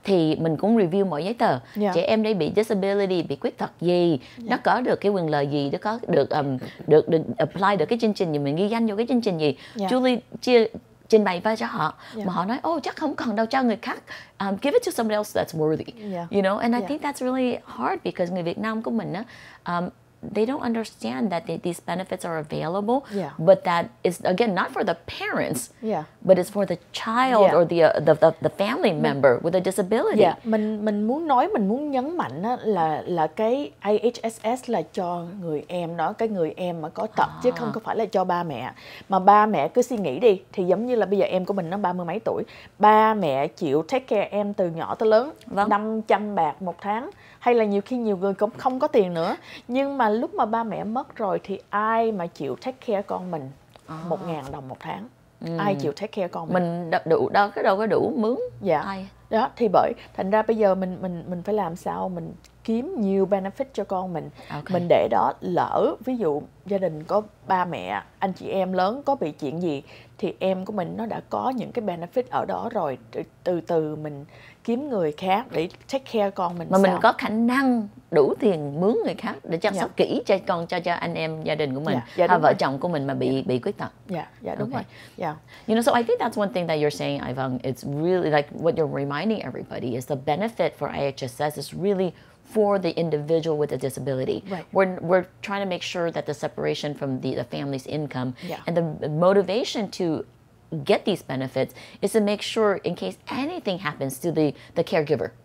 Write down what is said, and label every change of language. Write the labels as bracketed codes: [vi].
[vi] thì mình cũng review mọi giấy tờ. [en] Yeah. [vi] Trẻ em đây bị disability, bị khuyết tật gì, yeah, nó có được cái quyền lợi gì, nó có được được apply được cái chương trình gì, mình ghi danh vô cái chương trình gì. [en] Yeah. [vi] Julie chia trình bày vai cho họ, yeah, mà họ nói oh chắc không cần đâu, cho người khác, [en] give it to somebody else that's worthy, yeah, you know, and I, yeah, think that's really hard because [vi] người Việt Nam của mình á, [en] they don't understand that these benefits are available, yeah, but that is again not for the parents, yeah, but it's for the child, yeah, or the family member with a disability. Yeah. [vi] Mình muốn nhấn mạnh á, là cái IHSS là cho người em đó, cái người em mà có tật, chứ không có phải là cho ba mẹ. Mà ba mẹ cứ suy nghĩ đi, thì giống như là bây giờ em của mình nó 30 mấy tuổi, ba mẹ chịu take care em từ nhỏ tới lớn, vâng, 500 bạc một tháng, hay là nhiều khi nhiều người cũng không có tiền nữa, nhưng mà lúc mà ba mẹ mất rồi thì ai mà chịu take care con mình 1,000 đồng một tháng? Ai chịu take care con mình? Mình đủ đâu, cái đâu có đủ mướn. Dạ. Ai? Đó thì bởi thành ra bây giờ mình phải làm sao mình kiếm nhiều benefit cho con mình. [en] Okay. [vi] Mình để đó, lỡ ví dụ gia đình có ba mẹ, anh chị em lớn có bị chuyện gì thì em của mình nó đã có những cái benefit ở đó rồi, từ từ mình kiếm người khác để take care con mình. Mà sao? Mình có khả năng đủ tiền mướn người khác để chăm sóc, yeah, kỹ cho con, cho anh em gia đình của mình, [en] yeah, yeah, hay [vi] vợ rồi, chồng của mình mà bị, yeah, bị khuyết tật. [en] Dạ, yeah, yeah, đúng, okay, rồi. Yeah. You know, so I think that's one thing that you're saying, Ivan. It's really like what you're reminding everybody is the benefit for IHSS is really for the individual with a disability. Right. We're trying to make sure that the separation from the family's income, yeah, and the motivation to get these benefits is to make sure in case anything happens to the caregiver,